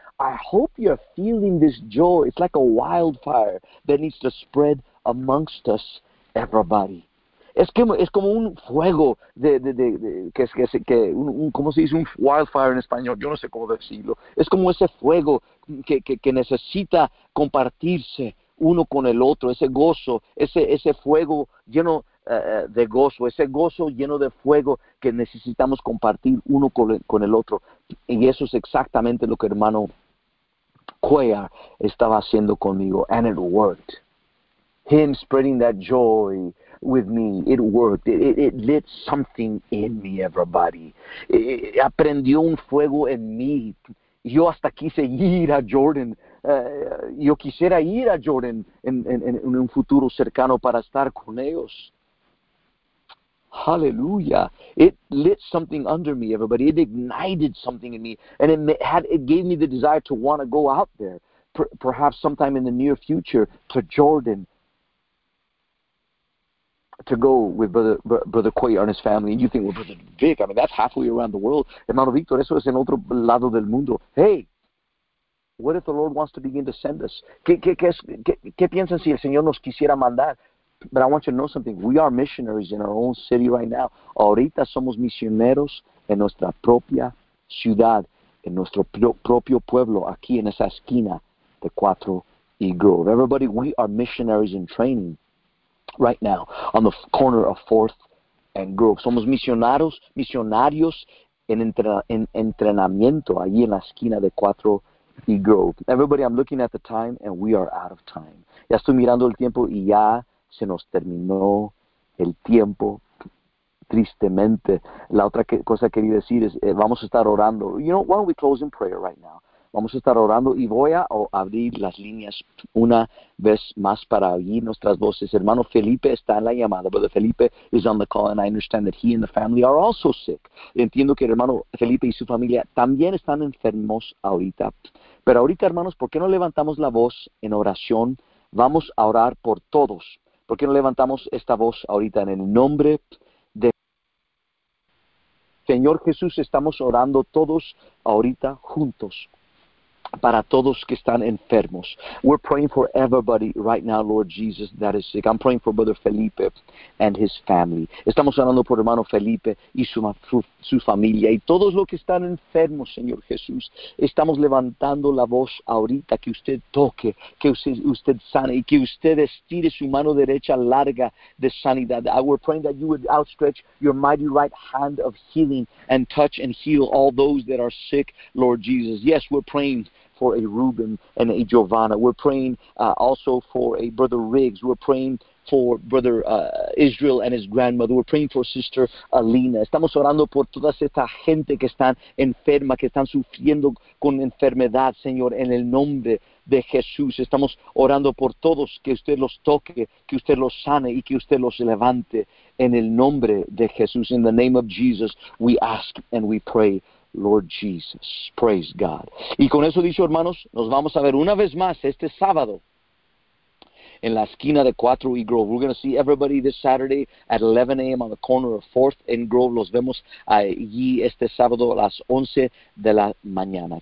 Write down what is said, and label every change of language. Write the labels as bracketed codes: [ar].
[en] I hope you're feeling this joy. It's like a wildfire that needs to spread amongst us, everybody. [es] Es como un fuego ¿cómo se dice? Un wildfire en español. Yo no sé cómo decirlo. Es como ese fuego que necesita compartirse uno con el otro, ese gozo, ese fuego lleno de gozo, ese gozo lleno de fuego que necesitamos compartir uno con el otro. Y eso es exactamente lo que hermano Cuellar estaba haciendo conmigo. [en] And it worked. Him spreading that joy with me, it worked. It lit something in me, everybody. [es] Aprendió un fuego en mí. Yo hasta quise ir a Jordan. Yo quisiera ir a Jordan en un futuro cercano para estar con ellos. [en] Hallelujah. It lit something under me, everybody. It ignited something in me. And it gave me the desire to want to go out there, perhaps sometime in the near future, to Jordan. to go with brother Quay and his family, and you think, well, Brother Vic, I mean, that's halfway around the world. [es] Hermano Victor, eso es en otro lado del mundo. [en] Hey, what if the Lord wants to begin to send us? [es] ¿Qué piensan si el Señor nos quisiera mandar? [en] But I want you to know something. We are missionaries in our own city right now. [es] Ahorita somos misioneros en nuestra propia ciudad, en nuestro propio pueblo, aquí en esa esquina de Cuatro y Grove. [en] Everybody, we are missionaries in training right now on the corner of 4th and Grove. [es] Somos misionarios en entrenamiento allí en la esquina de Cuatro y Grove. [en] Everybody, I'm looking at the time and we are out of time. [es] Ya estoy mirando el tiempo y ya se nos terminó el tiempo, tristemente. La otra cosa que quería decir es, vamos a estar orando. [en] You know, why don't we close in prayer right now? [es] Vamos a estar orando y voy a abrir las líneas una vez más para oír nuestras voces. Hermano Felipe está en la llamada. [en] Brother Felipe is on the call and I understand that he and the family are also sick. [es] Entiendo que el hermano Felipe y su familia también están enfermos ahorita. Pero ahorita, hermanos, ¿por qué no levantamos la voz en oración? Vamos a orar por todos. ¿Por qué no levantamos esta voz ahorita en el nombre de Señor Jesús? Estamos orando todos ahorita juntos para todos que están enfermos. [en] We're praying for everybody right now, Lord Jesus, that is sick. I'm praying for Brother Felipe and his family. [es] Estamos orando por hermano Felipe y su familia y todos los que están enfermos, Señor Jesús. Estamos levantando la voz ahorita que usted toque, que usted sane y que usted estire su mano derecha larga de sanidad. [en] We're praying that you would outstretch your mighty right hand of healing and touch and heal all those that are sick, Lord Jesus. Yes, we're praying for a Reuben and a Giovanna. We're praying also for a Brother Riggs. We're praying for Brother Israel and his grandmother. We're praying for Sister Alina. [es] Estamos orando por toda esta gente que están enferma, que están sufriendo con enfermedad, Señor, en el nombre de Jesús. Estamos orando por todos, que usted los toque, que usted los sane y que usted los levante en el nombre de Jesús. [en] In the name of Jesus, we ask and we pray. Lord Jesus, praise God. [es] Y con eso dicho, hermanos, nos vamos a ver una vez más este sábado en la esquina de 4 y Grove. [en] We're going to see everybody this Saturday at 11 a.m. on the corner of 4th and Grove. [es] Los vemos allí este sábado a las 11 de la mañana.